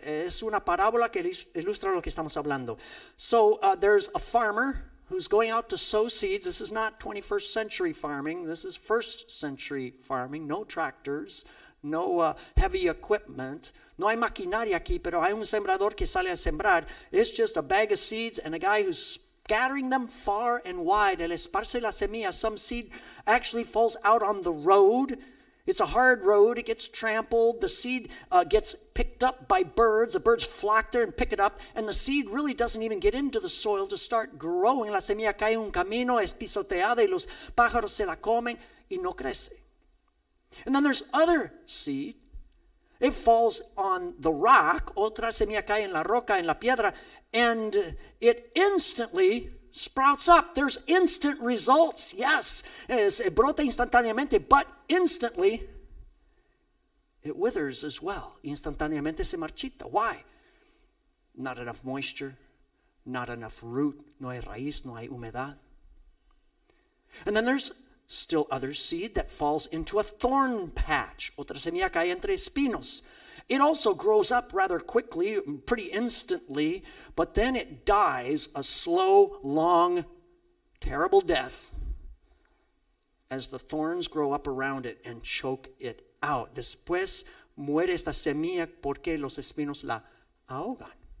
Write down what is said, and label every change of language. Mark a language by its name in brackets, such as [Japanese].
[Spanish] Es una parábola que ilustra lo que estamos hablando. [English] So there's a farmer who's going out to sow seeds. This is not 21st century farming. This is first century farming. No tractors, no heavy equipment. [Spanish] No hay maquinaria aquí, pero hay un sembrador que sale a sembrar. [English] It's just a bag of seeds and a guy who's scattering them far and wide. [Spanish] Él esparce la semilla. [English] Some seed actually falls out on the road. It's a hard road. It gets trampled. The seed gets picked up by birds. The birds flock there and pick it up. And the seed really doesn't even get into the soil to start growing. [Spanish] La semilla cae en un camino, es pisoteada y los pájaros se la comen y no crece. [English] And then there's other seed. It falls on the rock, [Spanish] otra semilla cae en la roca, en la piedra, [English] and it instantly sprouts up. There's instant results, yes, it [Spanish] brota instantáneamente, [English] but instantly it withers as well. [Spanish] Instantáneamente se marchita. [English] Why? Not enough moisture, not enough root, [Spanish] no hay raíz, no hay humedad. [English] And then there's still other seed that falls into a thorn patch. [Spanish] Otra semilla cae entre espinos. [English] It also grows up rather quickly, pretty instantly, but then it dies a slow, long, terrible death as the thorns grow up around it and choke it out. [Spanish] Después muere esta semilla porque los espinos la ahogan.